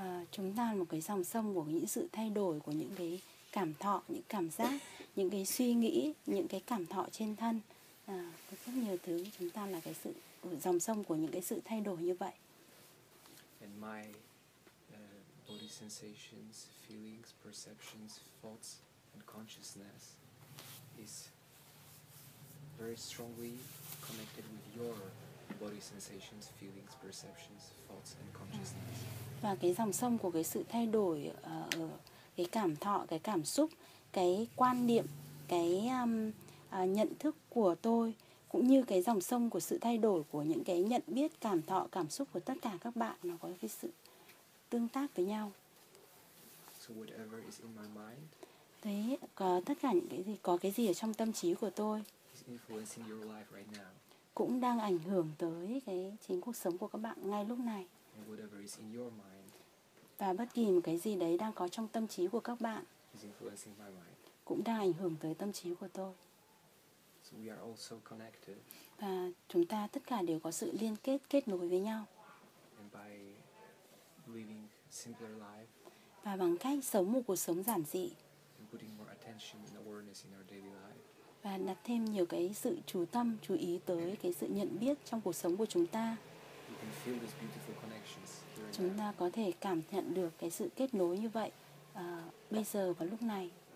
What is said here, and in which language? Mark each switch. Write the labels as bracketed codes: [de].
[vi] Chúng ta là một cái dòng sông của những sự thay đổi của những cái cảm thọ, những cảm giác, những cái suy nghĩ, những cái cảm thọ trên thân. rất nhiều thứ chúng ta là cái sự dòng sông của những cái sự thay đổi như vậy. [en] And my body sensations, feelings, perceptions, thoughts and consciousness is very strongly connected with your body sensations, feelings, perceptions, thoughts and consciousness. [vi] Và cái dòng sông của cái sự thay đổi ở cái cảm thọ, cái cảm xúc, cái quan niệm, cái nhận thức của tôi cũng như cái dòng sông của sự thay đổi của những cái nhận biết, cảm thọ, cảm xúc của tất cả các bạn, nó có cái sự tương tác với nhau. [en] So whatever is in my mind, [vi] thế có tất cả những cái gì, có cái gì ở trong tâm trí của tôi [en] is influencing your life right now. [vi] Cũng đang ảnh hưởng tới cái chính cuộc sống của các bạn ngay lúc này. [en] And whatever is in your mind, [vi] và bất kỳ một cái gì đấy đang có trong tâm trí của các bạn [en] is influencing my mind. [vi] Cũng đang ảnh hưởng tới tâm trí của tôi. [en] So we are also connected. [vi] Và chúng ta tất cả đều có sự liên kết, kết nối với nhau. [en] And by living simpler life, [vi] và bằng cách sống một cuộc sống giản dị, [en] and putting more attention and awareness in our daily life, [vi] và đặt thêm nhiều cái sự chú tâm, chú ý tới cái sự nhận biết trong cuộc sống của chúng ta, [en] we can feel these beautiful connections here and [vi] chúng ta có thể cảm nhận được cái sự kết nối như vậy bây giờ và lúc này.